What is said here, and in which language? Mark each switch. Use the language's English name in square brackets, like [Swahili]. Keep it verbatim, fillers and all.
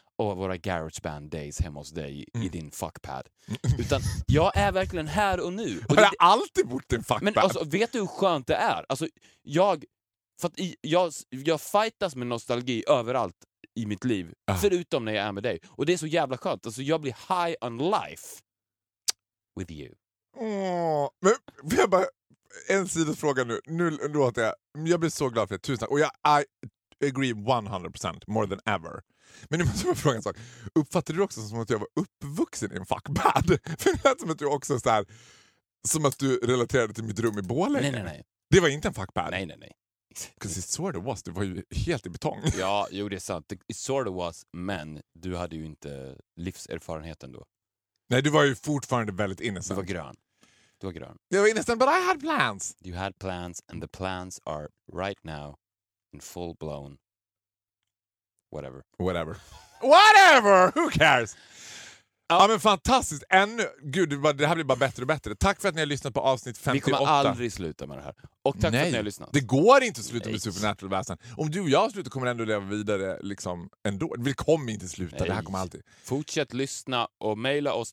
[Swedish] och våra GarageBand days hemma hos dig mm. i din fuckpad. Utan jag är verkligen här och nu. Och det, jag har alltid bort din fuckpad. Men alltså, vet du hur skönt det är? Alltså, jag, för att i, jag, jag fightas med nostalgi överallt i mitt liv. Uh. Förutom när jag är med dig. Och det är så jävla skönt. Alltså, jag blir [English] high on life with you. [Swedish] Åh, men jag bara... En sidofråga nu. Nu låter jag... Jag blir så glad för det. Tusen tack. Och jag... [English] I, agree [Swedish] hundra procent [English] more than ever. [Swedish] Men nu måste jag fråga en sak. Uppfattar du också som att jag var uppvuxen i en fuckbad? För det lät som att du också så här, som att du relaterade till mitt rum i Borlänge. Nej, nej, nej. Det var inte en fuckbad. Nej, nej, nej. [English] Because it sort of was. [Swedish] Du var ju helt i betong. Ja, jo, det är sant. [English] It sort of was, [Swedish] men du hade ju inte livserfarenheten då. Nej, du var ju fortfarande väldigt innocent. Du var grön. Du var grön. Jag var [English] innocent, but I had plans. You had plans, and the plans are right now full-blown whatever. Whatever. Whatever! Who cares? [Swedish] Ja, ja men fantastiskt. Ännu, gud, det här blir bara bättre och bättre. Tack för att ni har lyssnat på avsnitt femtioåtta. Vi kommer aldrig sluta med det här. Och tack Nej. för att ni har lyssnat. Det går inte att sluta Nej. med Supernatural-väsen. Om du och jag slutar kommer ändå leva vidare liksom ändå. Vi kommer inte sluta. Nej. Det här kommer alltid. Fortsätt lyssna och mejla oss.